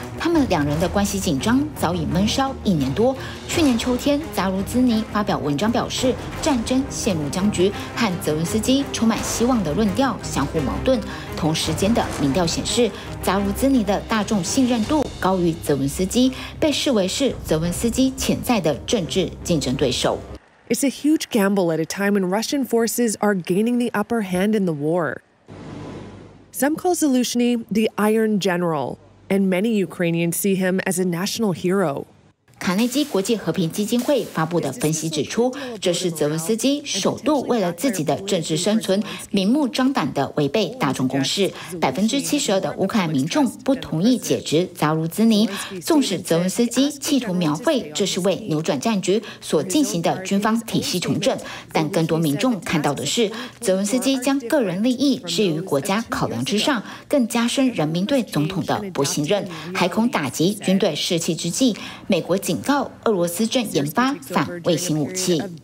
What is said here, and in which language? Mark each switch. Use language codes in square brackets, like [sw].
[zh] 他们两人的关系紧张早已闷烧一年多。去年秋天，扎卢兹尼发表文章表示，战争陷入僵局，和泽文斯基充满希望的论调相互矛盾。同时间的民调显示，扎卢兹尼的大众信任度高于泽文斯基，被视为是泽文斯基潜在的政治竞争对手。 [en] It's a huge gamble at a time when Russian forces are gaining the upper hand in the war. Some call Zelensky the Iron General, and many Ukrainians see him as a national hero. [zh] 卡内基国际和平基金会发布的分析指出，这是泽文斯基首度为了自己的政治生存，明目张胆地违背大众共识。 72%的乌克兰民众不同意解职扎卢兹尼。纵使泽文斯基企图描绘这是为扭转战局所进行的军方体系重整，但更多民众看到的是，泽文斯基将个人利益置于国家考量之上，更加深人民对总统的不信任，还恐打击军队士气之际，美国警告俄罗斯正研发反卫星武器。